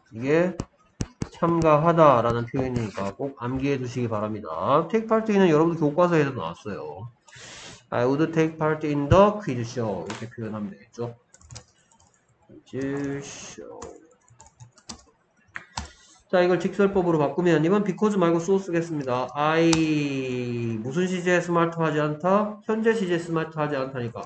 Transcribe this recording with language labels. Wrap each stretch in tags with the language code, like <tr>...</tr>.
<ko>이게 참가하다 라는 표현이니까 꼭 암기해 두시기 바랍니다. take part in은 여러분 교과서에도 나왔어요.</ko> <en>I would take part in the quiz show. 이렇게 표현하면 되겠죠. quiz show.</en> <ko>자, 이걸 직설법으로 바꾸면 이번 because 말고 so 쓰겠습니다. I 무슨 시제에 스마트하지 않다? 현재 시제에 스마트하지 않다니까.</ko>